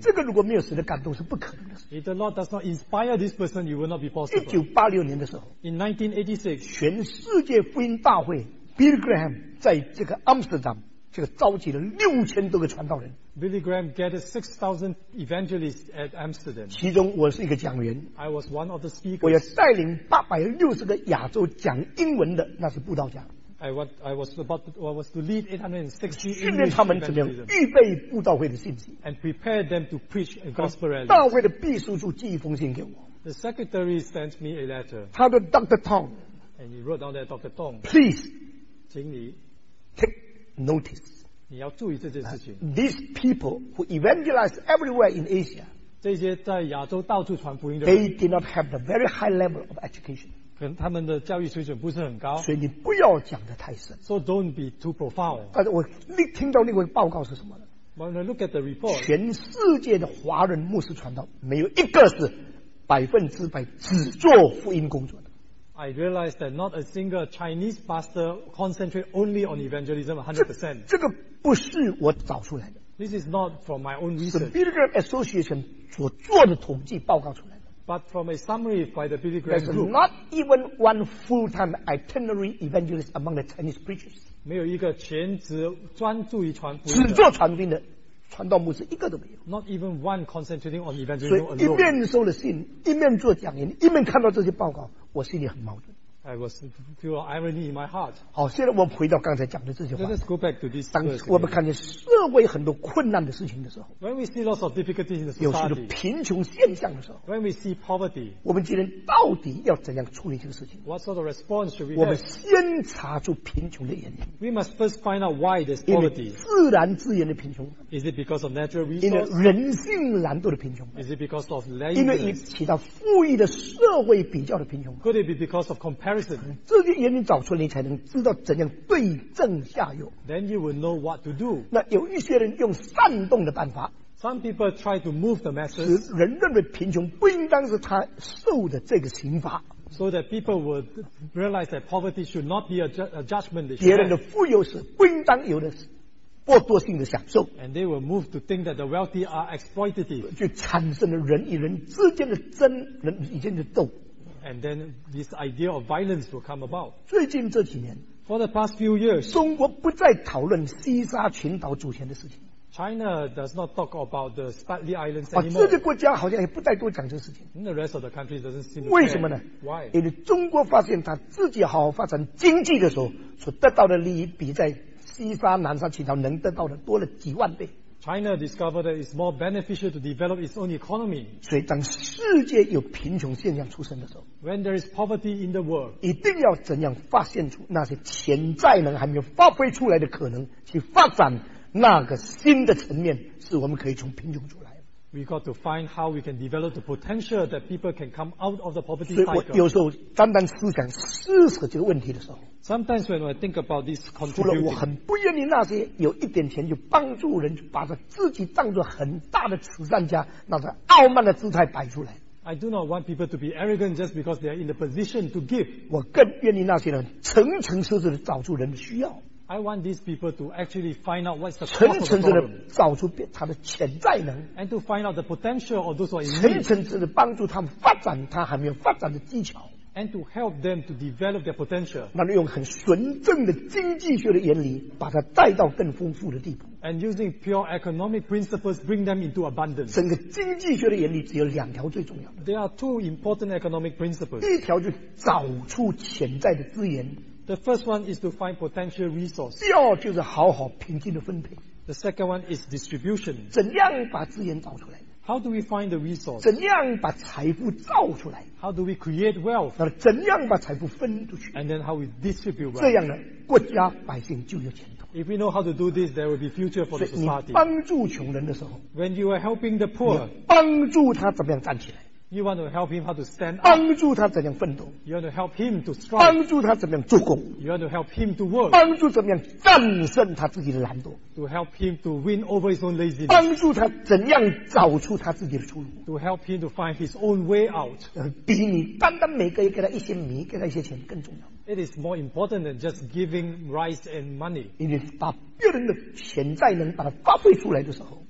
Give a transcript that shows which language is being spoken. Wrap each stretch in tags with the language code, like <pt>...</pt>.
<zh>这个如果没有神的感动是不可能的。</zh> <en>If the Lord does not inspire this person, it will not be possible.</en> <zh>1986年的时候</zh> <en>，In 1986，</en> <zh>全世界福音大会 ，Billy Graham 在这个 Amsterdam 这个召集了6000多个传道人。</zh> <en>Billy Graham gathered 6,000 evangelists at Amsterdam.</en> <zh>其中我是一个讲员。</zh> <en>I was one of the speakers.</en> <zh>我也带领860个亚洲讲英文的，那是布道家。</zh> <en>I was to lead 860 English evangelism.</en> <zh>训练他们怎么样预备布道会的信息。</zh> <en>And prepare them to preach and gospel rally.</en> <zh>大会的秘书处寄一封信给我。</zh> <en>The secretary sent me a letter.</en> <zh>他的 Dr. Tong.</zh> <en>And he wrote down there, Dr. Tong. Please.</en> <zh>请你</zh> <en>take notice.</en> <zh>你要注意这件事情。</zh> <en>These people who evangelized everywhere in Asia,</en> <zh>这些在亚洲到处传福音的</zh> <en>人 they did not have the very high level of education.</en> <zh>可能他们的教育水准不是很高。所以你不要讲得太深。</zh> <en>So don't be too profound.</en> <zh>但是我听到另外一个报告是什么呢</zh> <en>？When I look at the report,</en> <zh>全世界的华人牧师传道没有一个是百分之百只做福音工作的。</zh> <en>I realized that not a single Chinese pastor concentrates only on evangelism 100%.</en> <zh>这个不是我找出来的。</zh> <en>This is not from my own research.</en> <zh>是 Billy Graham Association 所做的统计报告出来的。</zh> <en>But from a summary by the Billy Graham Group. There's not even one full-time itinerary evangelist among the Chinese preachers.</en> <zh>没有一个全职专注于传福音的。只做传福音的传道牧师一个都没有。</zh> <en>Not even one concentrating on evangelism alone.</en> <zh>所以一面收了信，一面做讲演，一面看到这些报告。我心里很矛盾。</zh> <en>I was feel irony in my heart.</en> <zh>好，现在我们回到刚才讲的这些话。</zh> <en>Let's go back to this.</en> <zh>当我们看见社会很多困难的事情的时候</zh> <en>，When we see lots of difficulties in the society,</en> <zh>有许多贫穷现象的时候</zh> <en>，When we see poverty,</en> <zh>我们今天到底要怎样处理这个事情</zh> <en>？What sort of response should we have?</en> <zh>我们先查出贫穷的原因。</zh> <en>We must first find out why there's poverty.</en> <zh>自然资源的贫穷。</zh> <en>Is it because of natural resources?</en> <zh>因为人性懒惰的贫穷。</zh> <en>Is it because of laziness?</en> <zh>因为与其他富裕的社会比较的贫穷。</zh> <en>Could it be because of comparison?</en> <zh>这些原因找出来，你才能知道怎样对症下药。</zh> <en>Then you will know what to do.</en> <zh>那有一些人用煽动的办法</zh> <en>，Some people try to move the masses.</en> <zh>使人认为贫穷不应当是他受的这个刑罚。</zh> <en>So that people would realize that poverty should not be a judgment.</en> <zh>别人的富有是不应当有的剥夺性的享受。</zh> <en>And they will move to think that the wealthy are exploitative.</en> <zh>就产生了人与人之间的争，人与人的斗。</zh> <en>And then this idea of violence will come about.</en> <zh>最近这几年</zh> <en>，For the past few years,</en> <zh>中国不再讨论西沙群岛主权的事情。</zh> <en>China does not talk about the Spratly Islands anymore.</en> <zh>这些国家好像也不再多讲这个事情。</zh> <en>The rest of the countries doesn't seem to care.</en> <zh>为什么呢</zh> <en>？Why?</en> <zh>因为中国发现他自己好好发展经济的时候，所得到的利益比在西沙、南沙群岛能得到的多了几万倍。</zh> <en>China discovered that it's more beneficial to develop its own economy.</en> <zh>所以当世界有贫穷现象出现的时候</zh> <en>，When there is poverty in the world,</en> <zh>一定要怎样发现出那些潜在能还没有发挥出来的可能，去发展那个新的层面，是我们可以从贫穷出来的。</zh> <en>We got to find how we can develop the potential that people can come out of the poverty cycle.</en> <zh>所以我有时候单单思想施舍这个问题的时候。</zh> <en>Sometimes when I think about this contribution,</en> <zh>除了我很不愿意那些有一点钱就帮助人，就把他自己当作很大的慈善家，那种傲慢的姿态摆出来。</zh> <en>I do not want people to be arrogant just because they are in the position to give.</en> <zh>我更愿意那些人诚诚实实的找出人的需要。</zh> <en>I want these people to actually find out what's the problem.</en> <zh>诚诚实实的找出他的潜在能。</zh> <en>And to find out the potential of those who are in need.</en> <zh>诚诚实实的帮助他们发展他还没有发展的技巧。</zh> <en>And to help them to develop their potential.</en> <zh>那用很纯正的经济学的原理把它带到更丰富的地步。</zh> <en>And using pure economic principles, bring them into abundance.</en> <zh>整个经济学的原理只有两条最重要的。</zh> <en>There are two important economic principles.</en> <zh>第一条就是找出潜在的资源。</zh> <en>The first one is to find potential resources.</en> <zh>第二就是好好平均的分配。</zh> <en>The second one is distribution.</en> <zh>怎样把资源找出来？</zh> <en>How do we find the resource?</en> <zh>怎样把财富造出来</zh> <en>？How do we create wealth?</en> <zh>怎样把财富分出去</zh> <en>？And then how we distribute wealth?</en> <zh>这样呢，国家百姓就有前途。</zh> <en>If we know how to do this, there will be future for the society.</en> <zh>你帮助穷人的时候</zh> <en>，When you are helping the poor,</en> <zh>你帮助他怎么样站起来</zh> <en>？You want to help him how to stand up.</en> <zh>帮助他怎样奋斗</zh> <en>？You want to help him to strive.</en> <zh>帮助他怎么样做工</zh> <en>？You want to help him to work.</en> <zh>帮助怎么样战胜他自己的懒惰。</zh> <en>To help him to win over his own laziness.</en> <zh>帮助他怎样找出他自己的出路。</zh> <en>To help him to find his own way out.</en> <zh>比你单单每个月给他一些米，给他一些钱更重要。</zh> <en>It is more important than just giving rice and money. It is</en> <zh>把别人的潜在能把它发挥出来的时候。</zh>